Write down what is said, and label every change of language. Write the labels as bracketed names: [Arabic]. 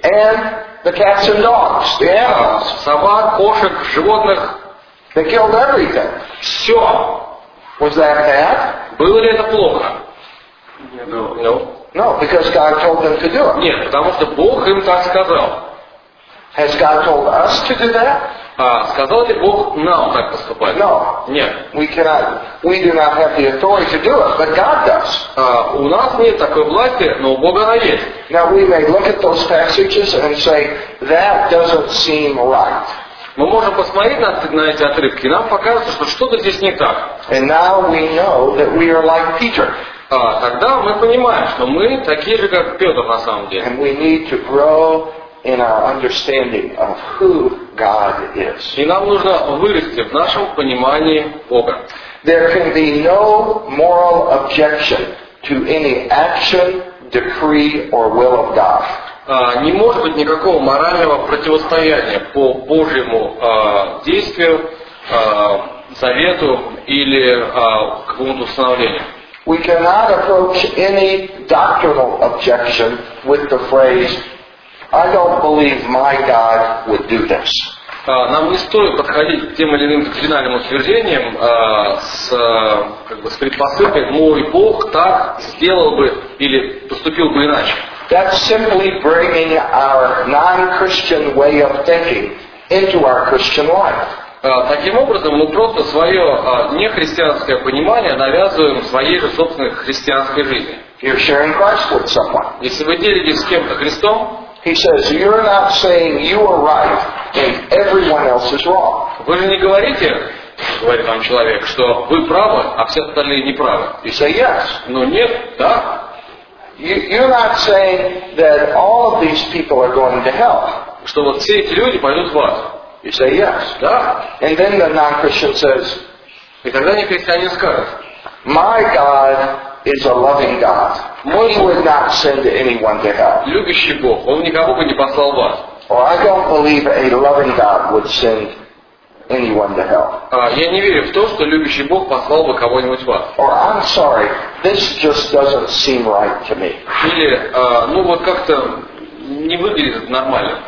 [English] And the cats and dogs, the animals. [Russian] Собак, кошек, животных. [English] They killed everything. [Russian] Все. [English] Was that bad? [Russian] Было ли это плохо? [English] No. No, because God told them to do it. [Russian] Нет, потому что Бог им так сказал. [English] Has God told us to do that? [Russian] Сказал ли Бог нам так поступать? [English] No. [Russian] Нет. [English] We cannot. We do not have the authority to do it, but God does. [Russian] У нас нет такой власти, но у Бога она есть. [English] Now we may look at those passages and say that doesn't seem right. [Russian] Мы можем посмотреть на эти отрывки, и нам покажется, что что-то здесь не так. [English] And now we know that we are like Peter. [Russian] Тогда мы понимаем, что мы такие же, как Петр, на самом деле. [English] And we need to grow in our understanding of who God is. [Russian] И нам нужно вырасти в нашем понимании Бога. [English] There can be no moral objection to any action, decree, or will of God. [Russian] Не может быть никакого морального противостояния по Божьему действию, завету или какому-то установлению. [English] We cannot approach any doctrinal objection with the phrase, I don't believe my God would do this. [Russian] нам не стоит подходить к тем или иным доктринальным утверждениям с предпосылкой «мой Бог так сделал бы или поступил бы иначе». [English] That's simply bringing our non-Christian way of thinking into our Christian life. [Russian] Таким образом, мы просто свое нехристианское понимание навязываем своей же собственной христианской жизни. [English] You're sharing Christ with someone. [Russian] Если вы делитесь с кем-то Христом, [English] he says, you're not saying you are right and everyone else is wrong. [Russian] Вы же не говорите, говорит вам человек, что вы правы, а все остальные не правы. [English] You say yes. [Russian] Но нет, да. [English] You're not saying that all of these people are going to hell. [Russian] Что вот все эти люди пойдут в ад. [English] You say yes. [Russian] Да. [English] And then the non-Christian says, [Russian] и тогда нехристианин скажет, [English] my God is a loving God. He would not send anyone to hell. [Russian] Любящий Бог, он никого бы не послал в ад. [English] Or I don't believe a loving God would send anyone to hell. [Russian] Я не верю в то, что любящий Бог послал бы кого-нибудь в ад. [English] Or I'm sorry, this just doesn't seem right to me. [Russian] Или, ну вот как-то не выглядит нормально.